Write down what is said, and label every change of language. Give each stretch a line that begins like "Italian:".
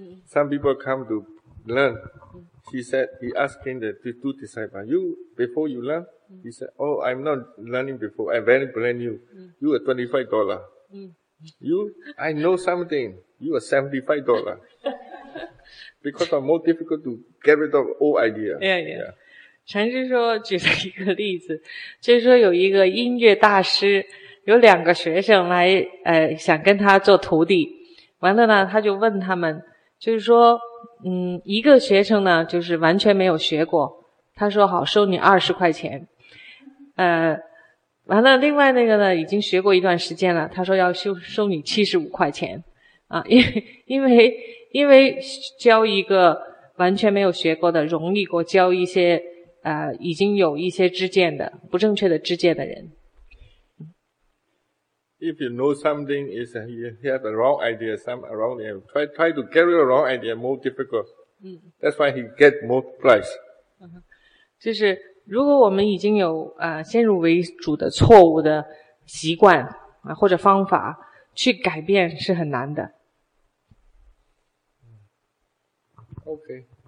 English: Some people come to learn. He said, he asking the two disciples, you, before you learn, he said, oh, I'm not learning before. I'm very brand new. You are $25. You, I know something. You are $75. because I'm more difficult to get rid of old idea. Yeah, yeah. yeah.
Chinese: 禅师说举了一个例子，就是说有一个音乐大师，有两个学生来想跟他做徒弟，完了呢他就问他们，就是说一个学生呢就是完全没有学过，他说好收你20块钱，完了另外那个呢已经学过一段时间了，他说要收你75块钱啊，因为教一个完全没有学过的容易过教一些已经有一些知见的不正确的知见的人。
English: If you know something is you have a wrong idea, some wrong idea, try to get rid of wrong idea more difficult. That's why he get more price.
Chinese: 就是如果我们已经有先入为主的错误的习惯或者方法，去改变是很难的。
English: OK.